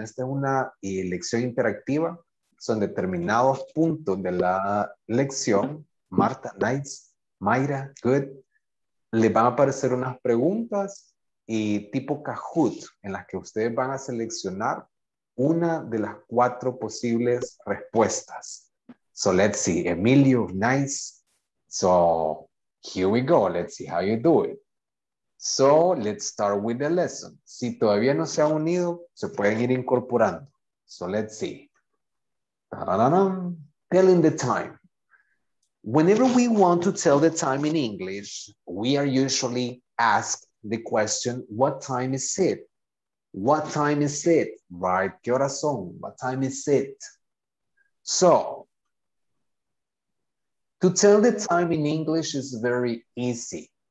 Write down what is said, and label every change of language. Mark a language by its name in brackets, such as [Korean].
[Spanish] Esta es una lección interactiva. Son determinados puntos de la lección. [English] Marta, nice. Mayra, good. [Spanish] Le van a aparecer unas preguntas y tipo Kahoot, en las que ustedes van a seleccionar una de las cuatro posibles respuestas. [English] So let's see, Emilio, nice. So here we go, let's see how you do it. So let's start with the lesson. [Spanish] Si todavía no se han unido, se pueden ir incorporando. [English] So let's see. Ta-da-da-dum. Telling the time. Whenever we want to tell the time in English, we are usually asked the question, what time is it? What time is it? Right, [Spanish] ¿qué hora son? [English] What time is it? So, to tell the time in English is very easy.